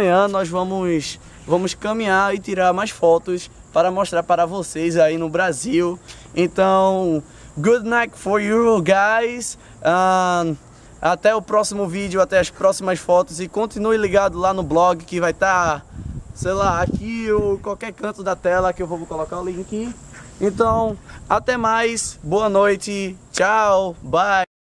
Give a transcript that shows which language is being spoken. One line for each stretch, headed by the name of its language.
Portuguese: Nós vamos caminhar e tirar mais fotos para mostrar para vocês aí no Brasil.
English: Então, good night for you guys.
Portuguese: Até o próximo vídeo, até as próximas fotos. E continue ligado lá no blog, que vai estar, sei lá, aqui ou qualquer canto da tela, que eu vou colocar o link. Então, até mais. Boa noite. Tchau. Bye.